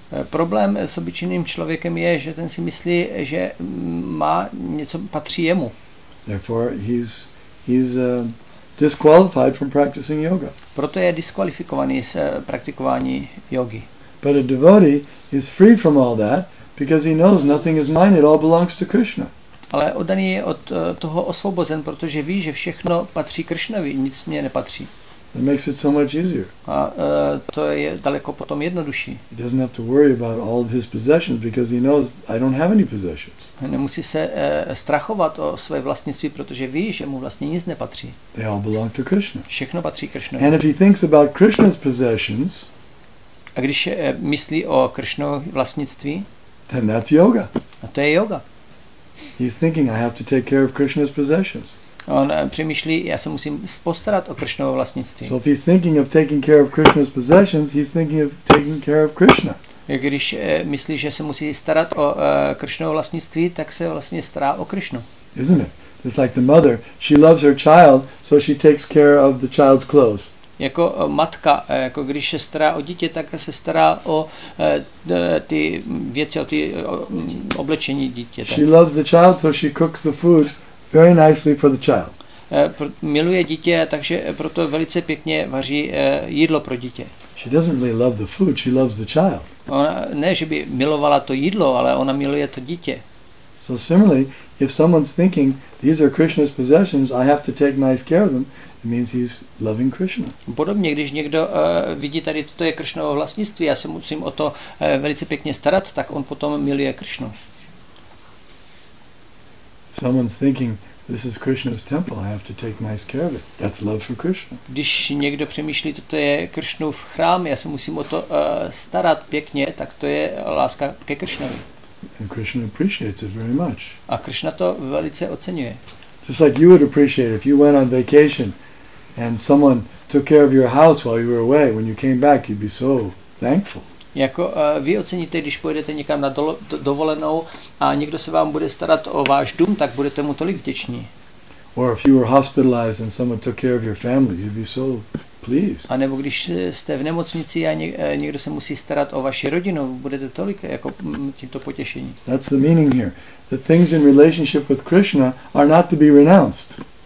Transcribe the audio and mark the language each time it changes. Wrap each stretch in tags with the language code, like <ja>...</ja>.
<cs>Problém s obyčejným člověkem je, že ten si myslí, že má něco patří jemu.</cs> <en>Therefore he's disqualified from practicing yoga.</en> <cs>Proto je diskvalifikovaný z praktikování jogy.</cs> <en>But a devotee is free from all that because he knows nothing is mine, it all belongs to Krishna.</en> <cs>Ale oddaný je od toho osvobozen, protože ví, že všechno patří Krishnovi, nic mě nepatří.</cs> <en>It makes it so much easier.</en> <cs>A to je daleko potom jednodušší.</cs> <en>He doesn't have to worry about all of his possessions because he knows I don't have any possessions.</en> <cs>Nemusí se strachovat o své vlastnictví, protože ví, že mu vlastně nic nepatří.</cs> <en>They all belong to Krishna.</en> <cs>Všechno patří Krishnovi.</cs> <en>And if he thinks about Krishna's possessions,</en> <cs>a když myslí o Krishnovi vlastnictví,</cs> <en>then that's yoga.</en> <cs>A to je yoga.</cs> <en>He's thinking I have to take care of Krishna's possessions.</en> <cs>On přemýšlí, já se musím postarat o Krishnovo vlastnictví.</cs> <en>So if he's thinking of taking care of Krishna's possessions, he's thinking of taking care of Krishna.</en> <cs>Když myslí, že se musí starat o Krishnovo vlastnictví, tak se vlastně stará o Krishnu.</cs> <en>Isn't it? It's like the mother, she loves her child, so she takes care of the child's clothes.</en> <cs>Jako matka, jako když se stará o dítě, tak se stará o ty věci, o ty oblečení dítěte.</cs> <en>She loves the child, so she cooks the food very nicely for the child.</en> <cs>Miluje dítě, takže proto velice pěkně vaří jídlo pro dítě.</cs> <en>She doesn't really love the food, she loves the child.</en> <cs>Ona ne, že by milovala to jídlo, ale ona miluje to dítě.</cs> <en>So similarly, if someone's thinking these are Krishna's possessions, I have to take nice care of them, it means he's loving Krishna.</en> <cs>Podobně, když někdo vidí tady toto je Krishnovo vlastnictví, já se musím o to velice pěkně starat, tak on potom miluje Krishnu.</cs> <en>Someone's thinking this is Krishna's temple, I have to take nice care of it. That's love for Krishna.</en> <cs>Když někdo přemýšlí, toto je Krishnův chrám, já se musím o to starat pěkně, tak to je láska ke Krishnovi.</cs> <en>And Krishna appreciates it very much.</en> <cs>A Krishna to velice oceňuje.</cs> <en>Just like you would appreciate if you went on vacation and someone took care of your house while you were away, when you came back you'd be so thankful.</en> <cs>Jako vy oceníte, když pojedete někam na dovolenou a někdo se vám bude starat o váš dům, tak budete mu tolik vděční.</cs> <en>Or if you were hospitalized and someone took care of your family, you'd be so pleased.</en> <cs>A nebo když jste v nemocnici a někdo se musí starat o vaši rodinu, budete tolik jako tímto potěšení.</cs> <en>That's the meaning here. The things in relationship with Krishna are not to be renounced.</en>